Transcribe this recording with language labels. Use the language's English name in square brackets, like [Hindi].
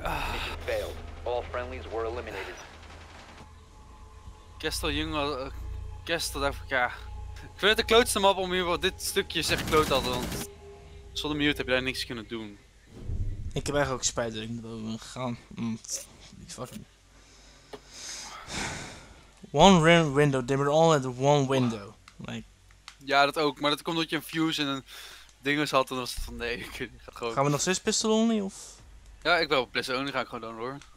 [English] Mission failed. All friendlies were eliminated. [Dutch] Kestel, jongen... Kestel, daarvoor, ja. Ik vind het de klootste map om hier wat dit stukje zeg kloot hadden, want... Zonder mute heb jij niks kunnen doen. Ik heb eigenlijk ook spijt dat ik naar boven gegaan. Die fucking... [English] One window, they were all at one window. Like. [Dutch] Ja, dat ook, maar dat komt omdat je een fuse en een dinges had, en was het van nee, ik ga gewoon. Gaan we nog steeds pistol only of? Ja, ik wil op pistol only, ga ik gewoon doen hoor.